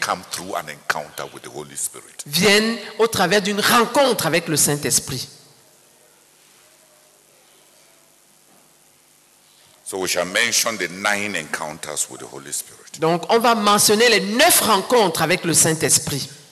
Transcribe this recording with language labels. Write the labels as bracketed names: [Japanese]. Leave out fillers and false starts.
[English] come through an encounter with the Holy Spirit. [French] Viennent au travers d'une rencontre avec le Saint-Esprit. [English] So we shall mention the 9 encounters with the Holy Spirit. [French] Donc on va mentionner les 9 rencontres avec le Saint-Esprit.